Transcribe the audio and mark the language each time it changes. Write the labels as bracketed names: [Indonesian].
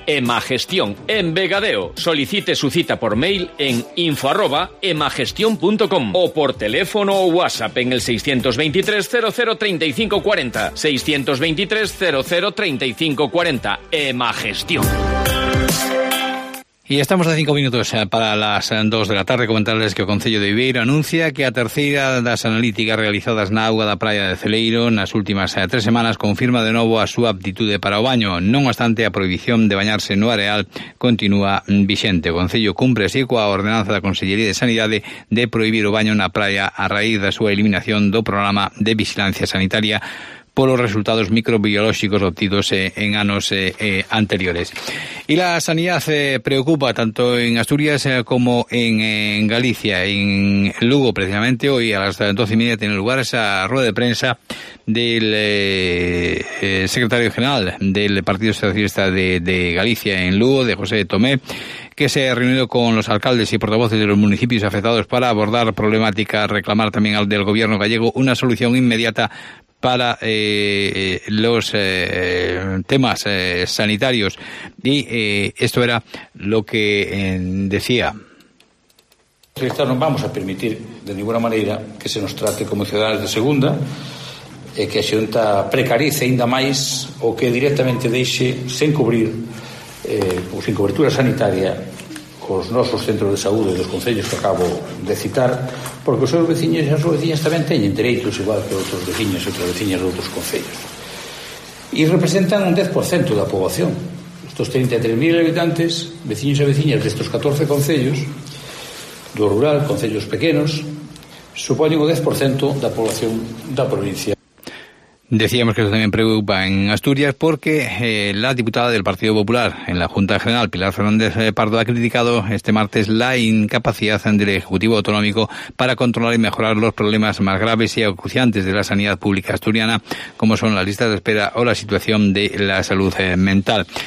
[Spanish] Emagestión, en Vegadeo. Solicite su cita por mail en info@emagestion.com o por teléfono o WhatsApp en el 623-0035-40 623-0035-40 Emagestión. Y estamos a 5 minutos para las 2 de la tarde. Comentarles que [Galician] o Concello de Viveiro anuncia que a terceira das analíticas realizadas na auga da praia de Celeiro nas últimas 3 semanas confirma de novo a súa aptitude para o baño. Non obstante, a prohibición de bañarse no areal continúa vixente. O Concello cumpre así coa ordenanza da Consellería de Sanidade de prohibir o baño na praia a raíz da súa eliminación do programa de vigilancia sanitaria polos resultados microbiolóxicos obtidos en anos anteriores. E a sanidade preocupa tanto en Asturias como en Galicia. [Spanish] En Lugo, precisamente, hoy a las 12:30 tiene lugar esa rueda de prensa del secretario general del Partido Socialista de Galicia en Lugo, de José Tomé, que se ha reunido con los alcaldes y portavoces de los municipios afectados para abordar problemáticas, reclamar también al del gobierno gallego una solución inmediata para los temas sanitarios. Y esto era lo que decía. No vamos a permitir de ninguna manera que se nos trate como ciudadanos de segunda, [Galician] que a Xunta precarice ainda máis o que directamente deixe sen cubrir ou sin cobertura sanitaria os nosos centros de saúde dos concellos que acabo de citar, porque os seus veciños e as súas veciñas tamén teñen dereitos igual que outros veciños e outras veciñas de outros concellos. E representan un 10% da poboación. Estos 33.000 habitantes, veciños e veciñas destos 14 concellos, do rural, concellos pequenos, supoñen o 10% da poboación da provincia. [Spanish] Decíamos que eso también preocupa en Asturias porque la diputada del Partido Popular en la Junta General, Pilar Fernández Pardo, ha criticado este martes la incapacidad del Ejecutivo Autonómico para controlar y mejorar los problemas más graves y acuciantes de la sanidad pública asturiana, como son las listas de espera o la situación de la salud mental.